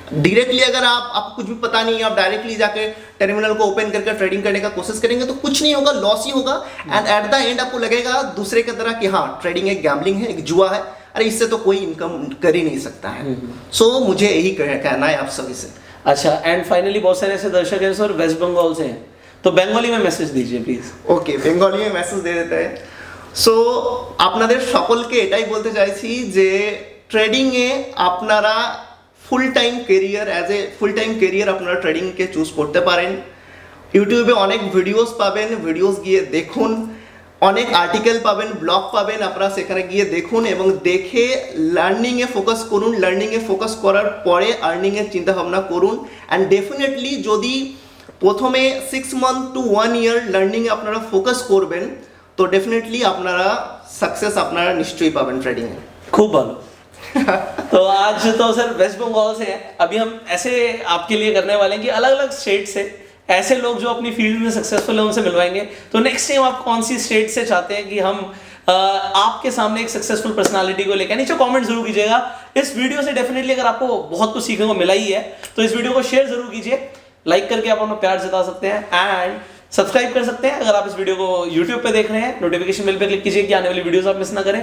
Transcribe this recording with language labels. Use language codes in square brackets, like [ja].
[hi] Directly अगर आप कुछ भी पता नहीं है, आप डायरेक्टली जाकर टर्मिनल को ओपन करके ट्रेडिंग करने का कोशिश करेंगे, तो कुछ नहीं होगा, लॉस ही होगा, एंड एट द एंड आपको लगेगा दूसरे की तरह कि हाँ ट्रेडिंग एक गैम्बलिंग है, एक जुआ है, अरे इससे तो कोई इनकम कर ही नहीं सकता है। सो मुझे यही कहना है आप सभी से। अच्छा, एंड फाइनली बहुत सारे ऐसे दर्शक हैं सर वेस्ट बंगाल से हैं, तो बंगाली में मैसेज दीजिए प्लीज। ओके, बंगाली में मैसेज दे देते हैं। [bn] सो আপনাদের সকলকে এটাই বলতে চাইছি যে ট্রেডিং এ আপনারা full time career, as a full time career আপনারা ট্রেডিং কে চুজ করতে পারেন। ইউটিউবে অনেক ভিডিওস পাবেন, ভিডিওস গিয়ে দেখুন, অনেক আর্টিকেল পাবেন, ব্লগ পাবেন, আপনারা সেখানে গিয়ে দেখুন এবং দেখে লার্নিং এ ফোকাস করুন। লার্নিং এ ফোকাস করার পরে আর্নিং এর চিন্তা ভাবনা করুন। এন্ড ডেফিনেটলি যদি প্রথমে 6 মান্থ টু 1 ইয়ার লার্নিং এ আপনারা ফোকাস করবেন, তো ডেফিনেটলি আপনারা সাকসেস আপনারা নিশ্চয়ই পাবেন ট্রেডিং এ। খুব ভালো। [hi] তো আজ তো স্যার ওয়েস্ট বেঙ্গল সে আবি হাম এসে আপকে লিয়ে করনে ওয়ালে কি আলাগ আলাগ স্টেট সে ऐसे लोग जो अपनी फील्ड में सक्सेसफुल है उनसे मिलवाएंगे। तो नेक्स्ट टाइम आप कौन सी स्टेट से चाहते हैं कि हम आपके सामने एक सक्सेसफुल पर्सनालिटी को लेकर, नीचे कमेंट जरूर कीजिएगा। इस वीडियो से डेफिनेटली अगर आपको बहुत कुछ सीखने को मिला ही है, तो इस वीडियो को शेयर जरूर कीजिए, लाइक करके आप अपना प्यार जता सकते हैं, एंड सब्सक्राइब कर सकते हैं अगर आप इस वीडियो को यूट्यूब पे देख रहे हैं, नोटिफिकेशन बेल पे क्लिक कीजिए कि आने वाली वीडियोस आप मिस ना करें।